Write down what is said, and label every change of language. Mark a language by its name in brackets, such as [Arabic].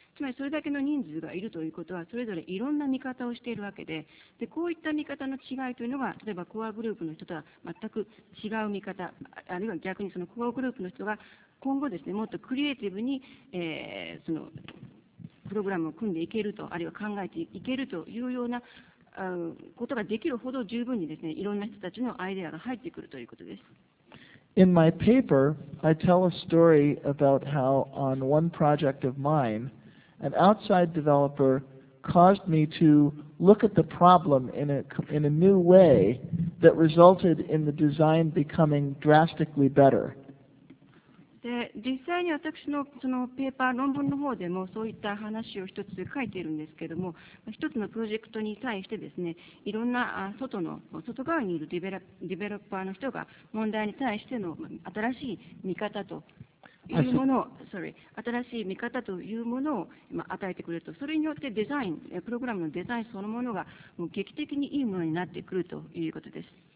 [Japanese] つまりそれだけの人数がいるということは、それぞれいろんな見方をしているわけ で、こういった見方の違いというのが、例えばコアグループの人とは全く違う見方、あるいは逆にそのコアグループの人が今後ですね、もっとクリエイティブに、そのプログラムを組んでいけると、あるいは考えていけるというようなことができるほど、十分にですね、いろんな人たちのアイデアが入ってくるということです。 [English] In my paper, I tell a story about how on one project of mine, an outside developer caused me to look at the problem in a new way that resulted in the design becoming drastically better. [Japanese] で実際に私 の, そのペーパー論文の方でもそういった話を一つ書いているんですけども、一つのプロジェクトに対してですね、いろんな外側にいるディベロッパーの人が問題に対しての新しい見方というものを、新しい見方というものを与えてくれると、それによってデザイン、プログラムのデザインそのものがもう劇的にいいものになってくるということです。